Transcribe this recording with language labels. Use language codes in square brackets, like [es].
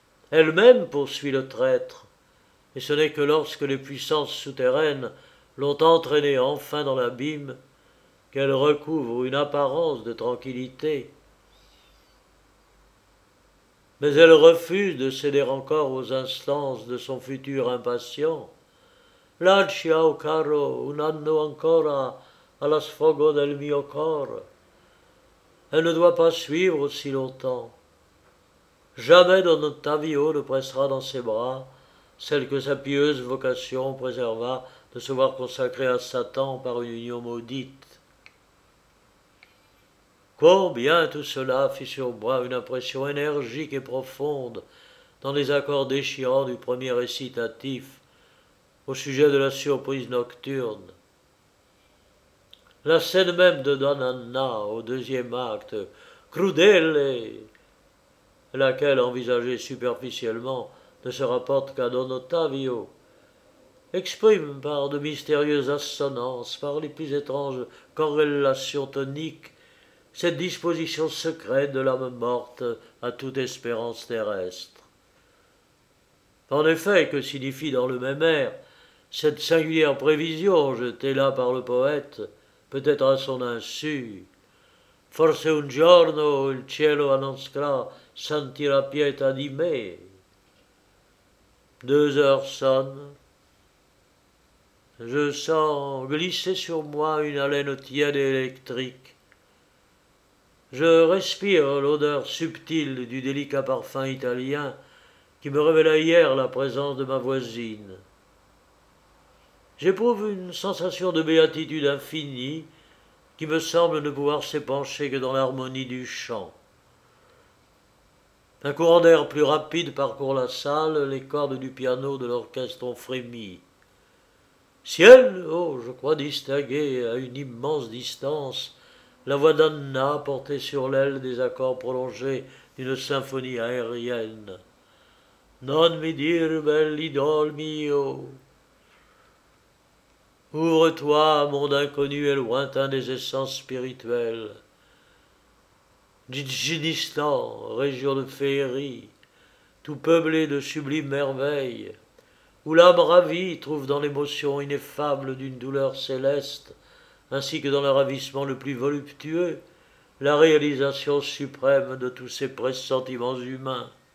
[fr] Elle-même poursuit le traître, et ce n'est que lorsque les puissances souterraines l'ont entraîné enfin dans l'abîme qu'elle recouvre une apparence de tranquillité. Mais elle refuse de céder encore aux instances de son futur impatient. [it] Lascia, o caro, un anno ancora alla sfogo del mio cor. [fr] Elle ne doit pas suivre aussi longtemps. Jamais Don Ottavio ne pressera dans ses bras celle que sa pieuse vocation préserva de se voir consacrée à Satan par une union maudite. Combien tout cela fit sur moi une impression énergique et profonde dans les accords déchirants du premier récitatif au sujet de la surprise nocturne. La scène même de Don Anna au deuxième acte, crudele, laquelle envisagée superficiellement ne se rapporte qu'à Don Ottavio, exprime par de mystérieuses assonances, par les plus étranges corrélations toniques, cette disposition secrète de l'âme morte à toute espérance terrestre. En effet, que signifie dans le même air cette singulière prévision jetée là par le poète, peut-être à son insu? [it] Forse un giorno il cielo annoncera sentirà pietà di me. [fr] 2 heures sonnent. Je sens glisser sur moi une haleine tiède et électrique. Je respire l'odeur subtile du délicat parfum italien qui me révéla hier la présence de ma voisine. J'éprouve une sensation de béatitude infinie qui me semble ne pouvoir s'épancher que dans l'harmonie du chant. Un courant d'air plus rapide parcourt la salle, les cordes du piano de l'orchestre ont frémi. Ciel, oh, je crois distinguer à une immense distance la voix d'Anna portée sur l'aile des accords prolongés d'une symphonie aérienne. [it] Non mi dire, belle idole mio. [fr] Ouvre-toi, monde inconnu et lointain des essences spirituelles. Djinnistan, région de féerie, tout peuplé de sublimes merveilles, où l'âme ravie trouve dans l'émotion ineffable d'une douleur céleste, ainsi que dans le ravissement le plus voluptueux, la réalisation suprême de tous ces pressentiments humains.